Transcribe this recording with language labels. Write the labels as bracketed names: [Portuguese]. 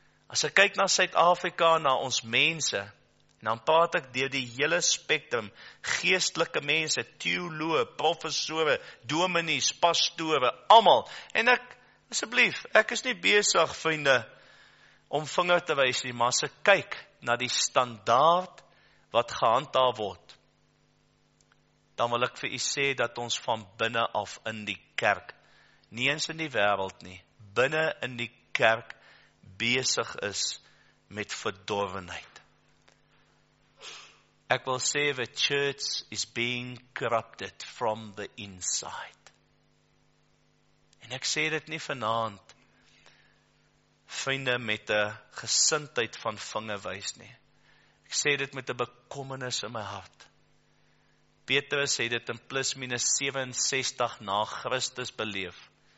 [Afrikaans] As ek kyk na Suid-Afrika, na ons mense, en dan praat ek deur die hele spektrum, geestelike mense, teoloë, professore, dominees, pastore, almal, en ek, asseblief, ek is nie besig, vriende, om vinger te wys nie, maar as ek kyk na die standaard wat gehandhaaf word, dan wil ek vir u sê dat ons van binne af in die kerk, nie eens in die wêreld nie, binne in die kerk besig is met verdorwenheid. Ek wil sê, [English] the church is being corrupted from the inside. [Afrikaans] En ek sê dit nie vanaand, vriende, met 'n gesindheid van vinge wys nie. Ek sê dit met 'n bekommernis in my hart. Petrus sê dit in plus minus 67 na Christus beleef.